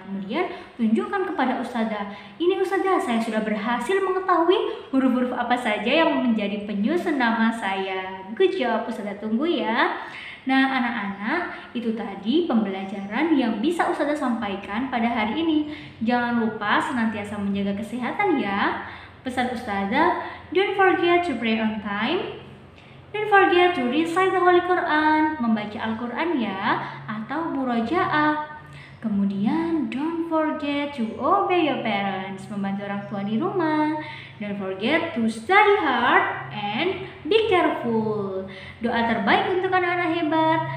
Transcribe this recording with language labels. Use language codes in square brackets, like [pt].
[id] Kemudian tunjukkan kepada Ustazah, ini Ustazah, saya sudah berhasil mengetahui huruf-huruf apa saja yang menjadi penyusun nama saya. [en] Good job, [id] Ustazah tunggu ya. Nah, anak-anak, itu tadi pembelajaran yang bisa Ustazah sampaikan pada hari ini. Jangan lupa senantiasa menjaga kesehatan ya. Pesan Ustazah, [en] don't forget to pray on time. Don't forget to recite the Holy Quran, [id] membaca Al-Quran ya, atau murojaah. Kemudian, [en] don't forget to obey your parents, [id] membantu orang tua di rumah. [en] Don't forget to study hard and be careful. [id] Doa terbaik untuk anak-anak hebat.